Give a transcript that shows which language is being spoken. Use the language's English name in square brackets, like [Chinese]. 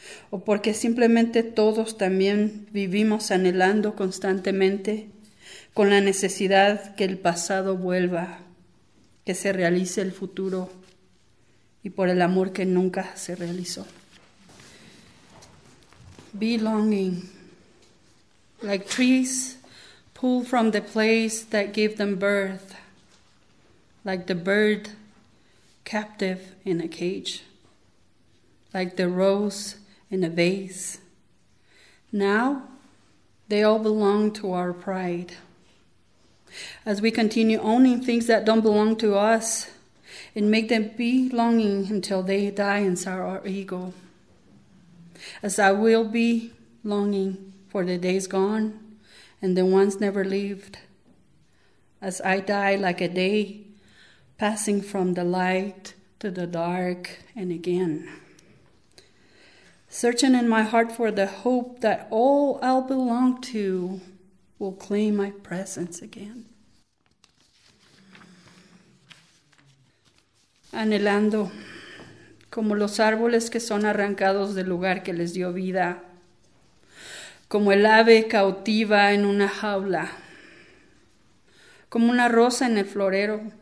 [Spanish] o porque simplemente todos también vivimos anhelando constantemente con la necesidad que el pasado vuelva, que se realice el futuro y por el amor que nunca se realizó. [English] Belonging, like trees pulled from the place that gave them birth, like the bird captive in a cage, like the rose in a vase. Now, they all belong to our pride. As we continue owning things that don't belong to us and make them belonging until they die inside our ego. As I will be longing for the days gone and the ones never lived. As I die like a day passing from the light to the dark and again. Searching in my heart for the hope that all I'll belong to will claim my presence again. [Spanish] Anhelando, como los árboles que son arrancados del lugar que les dio vida, como el ave cautiva en una jaula, como una rosa en el florero.